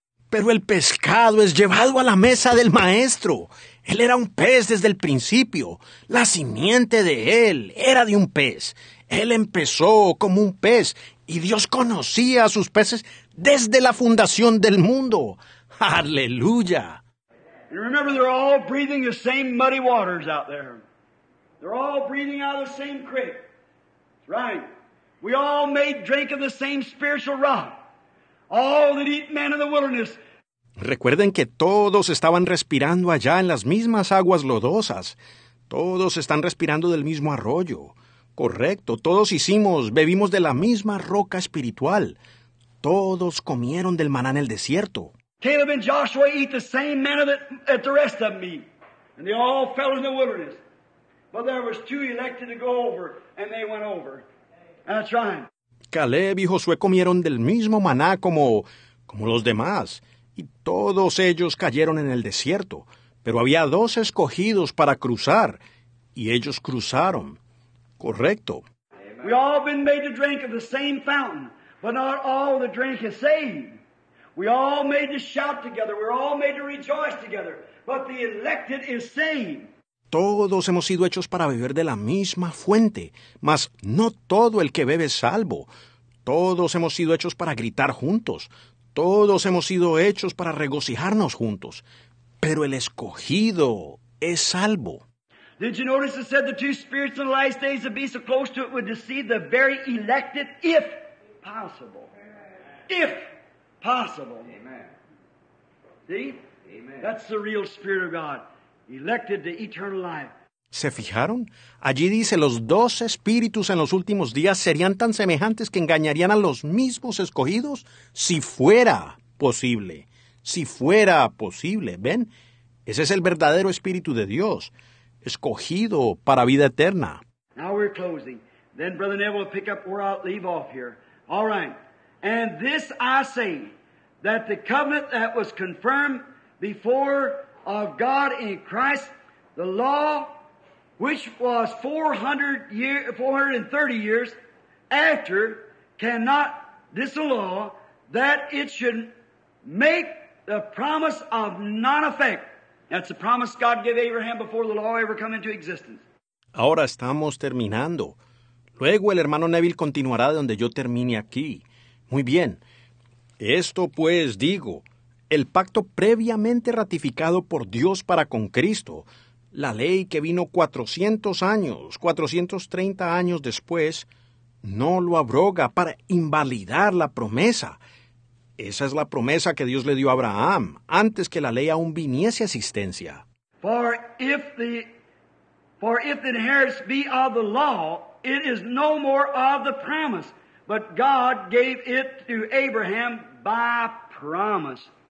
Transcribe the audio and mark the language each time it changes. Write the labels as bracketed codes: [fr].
[es] Pero el pescado es llevado a la mesa del maestro. Él era un pez desde el principio. La simiente de él era de un pez. Él empezó como un pez y Dios conocía a sus peces desde la fundación del mundo. ¡Aleluya! [en] Y remember, they're all breathing the same muddy waters out there. They're all breathing out of the same creek. That's right. We all made drink of the same spiritual rock. All that eat man in the wilderness. [es] Recuerden que todos estaban respirando allá en las mismas aguas lodosas. Todos están respirando del mismo arroyo. Correcto, todos hicimos, bebimos de la misma roca espiritual. Todos comieron del maná en el desierto. [en] Caleb and Joshua eat the same manna that the rest of them eat. And they all fell in the wilderness. But there was two elected to go over, and they went over. And that's right. [es] Caleb y Josué comieron del mismo maná como los demás. Y todos ellos cayeron en el desierto. Pero había dos escogidos para cruzar. Y ellos cruzaron. Correcto. [en] We all been made to drink of the same fountain, but not all the drink is saved. We all made to shout together. We're all made to rejoice together. But the elected is saved. [es] Todos hemos sido hechos para beber de la misma fuente, mas no todo el que bebe es salvo. Todos hemos sido hechos para gritar juntos. Todos hemos sido hechos para regocijarnos juntos. Pero el escogido es salvo. [en] Did you notice it said the two spirits in the last days would be so close to it would deceive the very elected if possible. If possible. Amen. See? Amen. That's the real Spirit of God. Elected to eternal life. [es] ¿Se fijaron? Allí dice, los dos espíritus en los últimos días serían tan semejantes que engañarían a los mismos escogidos si fuera posible. Si fuera posible. ¿Ven? Ese es el verdadero Espíritu de Dios. Escogido para vida eterna. [en] Now we're closing. Then Brother Neville will pick up where I'll leave off here. All right. And this I say, that the covenant that was confirmed before of God in Christ, the law which was 430 years after, cannot disallow that it should make the promise of non-effect. That's the promise God gave Abraham before the law ever came into existence. [es] Ahora estamos terminando. Luego el hermano Neville continuará de donde yo termine aquí. Muy bien. Esto pues digo, el pacto previamente ratificado por Dios para con Cristo, la ley que vino 430 años después, no lo abroga para invalidar la promesa. Esa es la promesa que Dios le dio a Abraham antes que la ley aún viniese a existencia. [en] For if the inheritance be of the law, it is no more of the promise, but God gave it to Abraham by promise.